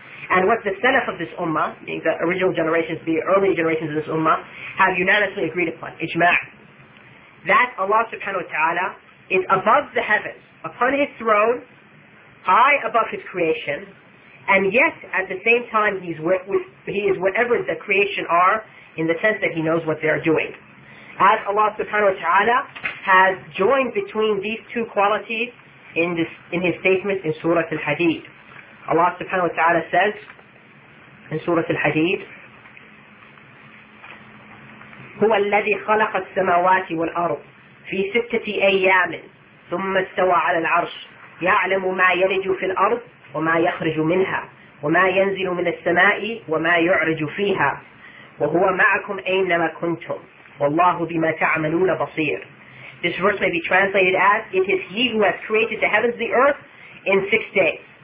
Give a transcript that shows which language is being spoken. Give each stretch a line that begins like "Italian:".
English: And what the salaf of this ummah, meaning the original generations, the early generations of this ummah, have unanimously agreed upon, ijma', that Allah subhanahu wa ta'ala is above the heavens, upon His throne, high above His creation, and yet at the same time he is whatever the creation are, in the sense that He knows what they are doing. As Allah subhanahu wa ta'ala has joined between these two qualities in His statement in Surah Al-Hadid. Allah subhanahu wa ta'ala says in Surah Al-Hadid,
Arabic: هو الذي خلق السماوات والأرض في ستة أيام ثم استوى على العرش يعلم ما يلج في الأرض وما يخرج منها وما ينزل من السماء وما يعرج فيها وهو معكم أينما كنتم والله بما تعملون بصير.
English: This verse may be translated as, it is He who has created the heavens and the earth in 6 days.